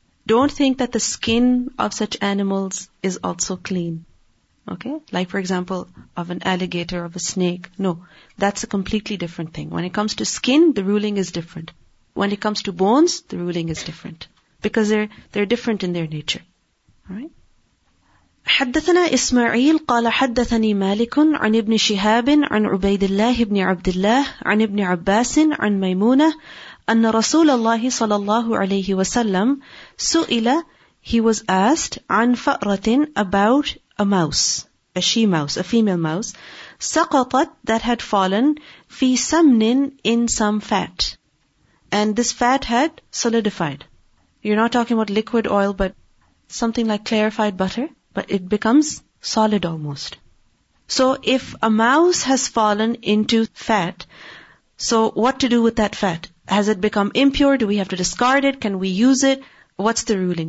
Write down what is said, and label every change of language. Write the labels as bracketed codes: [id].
[en] Don't think that the skin of such animals is also clean. Okay? Like, for example, of an alligator, of a snake. No, that's a completely different thing. When it comes to skin, the ruling is different. When it comes to bones, the ruling is different. Because they're different in their nature. Alright? [ar] حدثنا إسماعيل قال حدثني مالك عن ابن شهاب عن عبيد الله بن عبد الله عن ابن عباس عن ميمونة أن رسول الله صلى الله عليه وسلم سئل [en] he was asked [ar] عن فأرة [en] about a mouse, a she mouse, a female mouse [ar] سقطت [en] that had fallen [ar] في سمن [en] in some fat and this fat had solidified. You're not talking about liquid oil but something like clarified butter. But it becomes solid almost. So if a mouse has fallen into fat, so what to do with that fat? Has it become impure? Do we have to discard it? Can we use it? What's the ruling?